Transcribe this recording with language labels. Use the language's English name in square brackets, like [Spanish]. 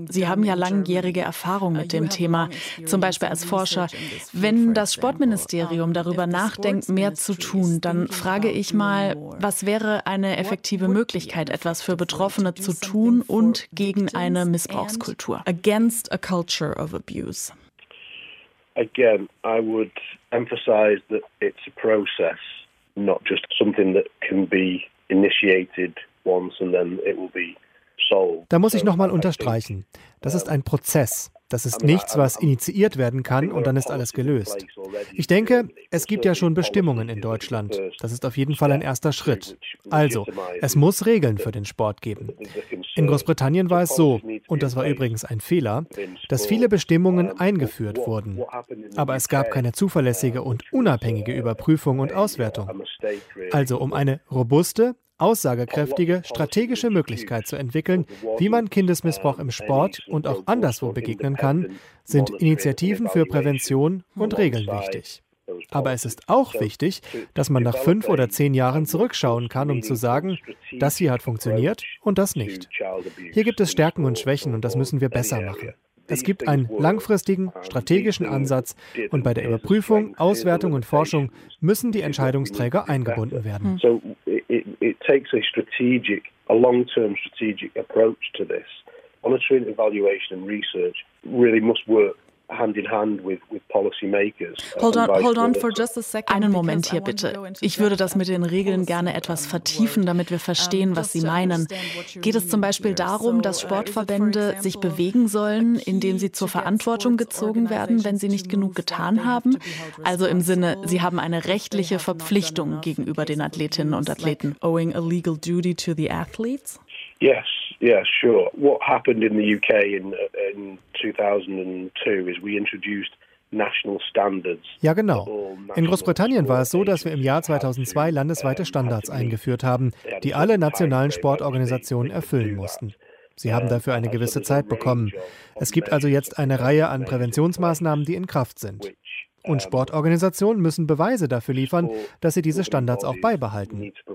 [German] Sie haben ja langjährige Erfahrung mit dem Thema, zum Beispiel als Forscher. Wenn das Sportministerium darüber nachdenkt, mehr zu tun, dann frage ich mal, was wäre eine effektive Möglichkeit, etwas für Betroffene zu tun und gegen eine Missbrauchskultur? [English] Against a culture of abuse. Again, I would emphasize that it's a process. Not just something that can be initiated once and then it will be solved. [German] Da muss ich nochmal unterstreichen. Das ist ein Prozess. Das ist nichts, was initiiert werden kann und dann ist alles gelöst. Ich denke, es gibt ja schon Bestimmungen in Deutschland. Das ist auf jeden Fall ein erster Schritt. Also, es muss Regeln für den Sport geben. In Großbritannien war es so, und das war übrigens ein Fehler, dass viele Bestimmungen eingeführt wurden. Aber es gab keine zuverlässige und unabhängige Überprüfung und Auswertung. Also, um eine robuste, aussagekräftige, strategische Möglichkeit zu entwickeln, wie man Kindesmissbrauch im Sport und auch anderswo begegnen kann, sind Initiativen für Prävention und Regeln wichtig. Aber es ist auch wichtig, dass man nach 5 oder 10 Jahren zurückschauen kann, um zu sagen, das hier hat funktioniert und das nicht. Hier gibt es Stärken und Schwächen und das müssen wir besser machen. Es gibt einen langfristigen, strategischen Ansatz und bei der Überprüfung, Auswertung und Forschung müssen die Entscheidungsträger eingebunden werden. [English] It takes a long-term strategic approach to this. Monitoring, evaluation and research really must work hand in hand with policy makers. Hold on for just a second. [German] Einen Moment hier bitte. Ich würde das mit den Regeln gerne etwas vertiefen, damit wir verstehen, was Sie meinen. Geht es zum Beispiel darum, dass Sportverbände sich bewegen sollen, indem sie zur Verantwortung gezogen werden, wenn sie nicht genug getan haben? Also im Sinne, sie haben eine rechtliche Verpflichtung gegenüber den Athletinnen und Athleten. [English] Owing a legal duty to the athletes? Yes. Yeah, sure. What happened in the UK in 2002 is we introduced national standards. [German] Ja, genau. In Großbritannien war es so, dass wir im Jahr 2002 landesweite Standards eingeführt haben, die alle nationalen Sportorganisationen erfüllen mussten. Sie haben dafür eine gewisse Zeit bekommen. Es gibt also jetzt eine Reihe an Präventionsmaßnahmen, die in Kraft sind. Und Sportorganisationen müssen Beweise dafür liefern, dass sie diese Standards auch beibehalten.